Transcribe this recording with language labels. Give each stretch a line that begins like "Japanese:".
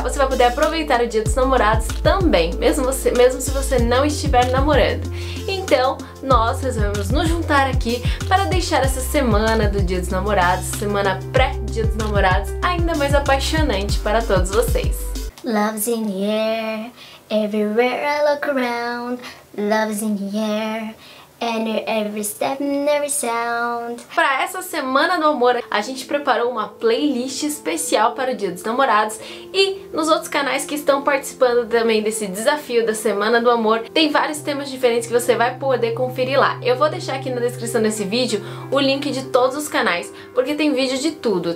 Portuguese: Você vai poder aproveitar o Dia dos Namorados também, mesmo se você não estiver namorando. Então, nós resolvemos nos juntar aqui para deixar essa semana do Dia dos Namorados, semana pré-Dia dos Namorados, ainda mais apaixonante para todos vocês.
English: Love's in the air, everywhere I look around, love's in the air. And every step and every sound.
Portuguese: Pra essa Semana do Amor, a gente preparou uma playlist especial para o Dia dos Namorados. E nos outros canais que estão participando também desse desafio da Semana do Amor, tem vários temas diferentes que você vai poder conferir lá. Eu vou deixar aqui na descrição desse vídeo o link de todos os canais, porque tem vídeo de tudo.